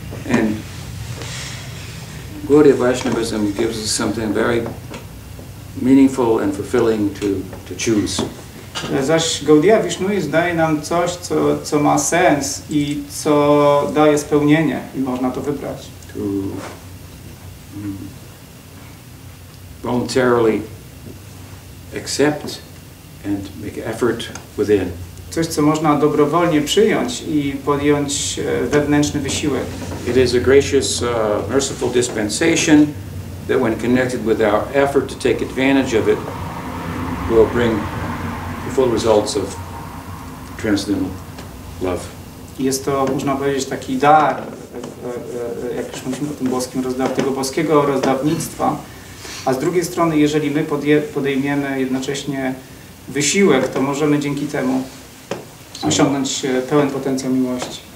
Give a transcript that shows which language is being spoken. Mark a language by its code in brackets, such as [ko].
[en] And Guru Vaishnavism gives us something very meaningful and fulfilling to choose. [pl] Zaś Gaudiya Vishnuism daje nam coś, co ma sens i co daje spełnienie i można to wybrać. [en] Voluntarily accept and make effort within. [pl] Coś, co można dobrowolnie przyjąć i podjąć wewnętrzny wysiłek. [en] It is a gracious, merciful dispensation that when connected with our effort to take advantage of it will bring the full results of transcendental love. [pl] Jest to, można powiedzieć, taki dar, jak już mówimy o tym boskim, tego boskiego rozdawnictwa. A z drugiej strony, jeżeli my podejmiemy jednocześnie wysiłek, to możemy dzięki temu osiągnąć pełen potencjał miłości.